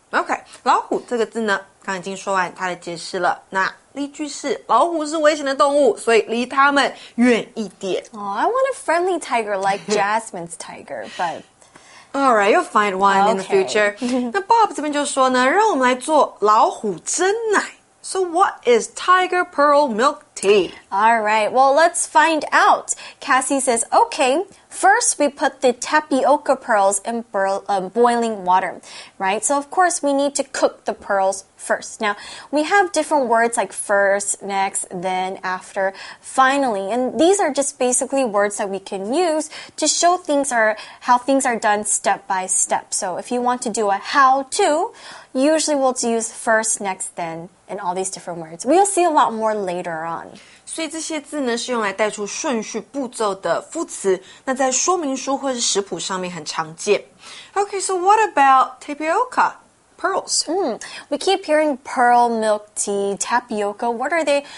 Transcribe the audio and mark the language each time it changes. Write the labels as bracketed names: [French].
[Chinese] Okay, 老虎这个字呢，刚刚已经说完它的解释了。那例句是老虎是危险的动物，所以离它们远一点。 [English] Oh, I want a friendly tiger like Jasmine's tiger, but... Alright, you'll find one in the future. [Chinese] 那 Bob 这边就说呢，让我们来做老虎真奶。 [English] So what is tiger pearl milk tea? Alright, well, let's find out. Cassie says, okay, first we put the tapioca pearls in boiling water, right? So of course we need to cook the pearls first. Now, we have different words like first, next, then, after, finally. And these are just basically words that we can use to show things are, how things are done step by step. So if you want to do a how-to, usually we'll use first, next, then. And all these different words. We'll see a lot more later on. [Chinese] 所以这些字呢是用来带出顺序步骤的副词，那在说明书或是食谱上面很常见。 [English] Okay, so what about tapioca? Pearls. We keep hearing pearl milk tea, tapioca. What are they?